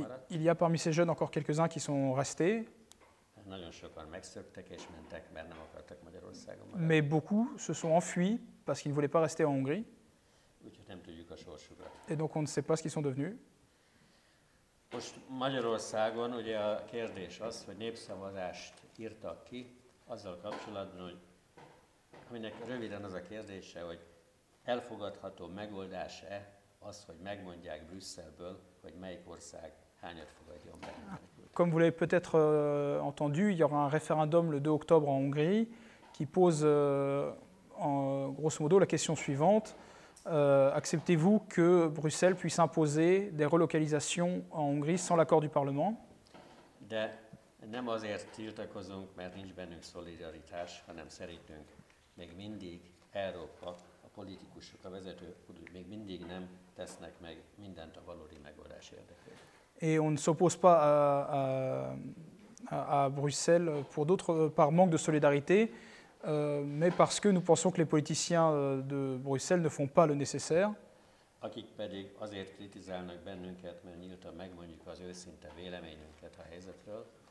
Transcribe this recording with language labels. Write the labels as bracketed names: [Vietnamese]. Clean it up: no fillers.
[French] Il y a parmi ces jeunes encore quelques-uns qui sont restés. [Hungarian] Nagyon sokan megszöktek és mentek, mert nem akartak Magyarországon. [French] Mais beaucoup se sont enfuis parce qu'ils ne voulaient pas rester en Hongrie. [Hungarian] Úgyhogy nem tudjuk a sorsukat. [French] Et donc on ne sait pas ce qu'ils sont devenus. [Hungarian] Most Magyarországon ugye a kérdés az, hogy népszavazást írtak ki azzal kapcsolatban, hogy aminek röviden az a kérdése, hogy elfogadható megoldás-e az, hogy megmondják Brüsszelből, hogy melyik ország hányat fogadja be. [French] Comme vous l'avez peut-être entendu, il y aura un référendum le 2 octobre en Hongrie qui pose grosso modo la question suivante. Acceptez-vous que Bruxelles puisse imposer des relocalisations en Hongrie sans l'accord du Parlement? [Hungarian] De Nem azért tiltakozunk, mert nincs bennünk szolidaritás, hanem szerintünk még mindig Európa, a politikusok, a vezetők még mindig nem tesznek meg mindent a valódi megoldás érdekében. [French] Et on ne s'oppose pas à Bruxelles pour d'autres par manque de solidarité, mais parce que nous pensons que les politiciens de Bruxelles ne font pas le nécessaire. [Hungarian] Akik pedig azért kritizálnak bennünket, mert nyíltan megmondjuk az őszinte véleményünket a helyzetről.